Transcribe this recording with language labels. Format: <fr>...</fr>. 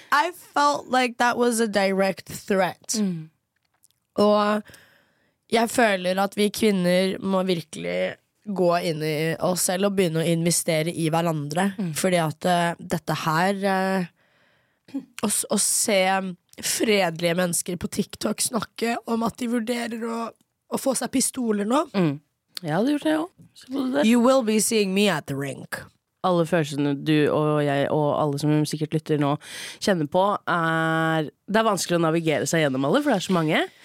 <en>I felt like that was a direct threat.</en> <no>Og jeg føler at vi kvinner må virkelig gå inn i oss selv og begynne å investere i hverandre. Fordi at dette her, å se fredelige mennesker på TikTok snakke om at de vurderer å få seg pistoler nå. Jeg hadde gjort det, ja.</no> <en>You will be seeing me at the rink.</en> <no>Alle følelsene du og jeg og alle som sikkert lytter nå kjenner på, det er vanskelig å navigere seg gjennom alle, for det er så mange.</no>